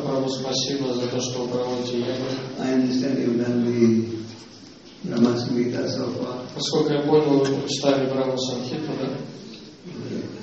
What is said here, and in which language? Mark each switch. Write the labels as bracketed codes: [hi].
[ru] Прабху, спасибо за то, что вы проводите яги. [en] I understand you've done the Brahma Samhita so far. [ru] Поскольку я понял, вы читали Брахма Самхиту, да?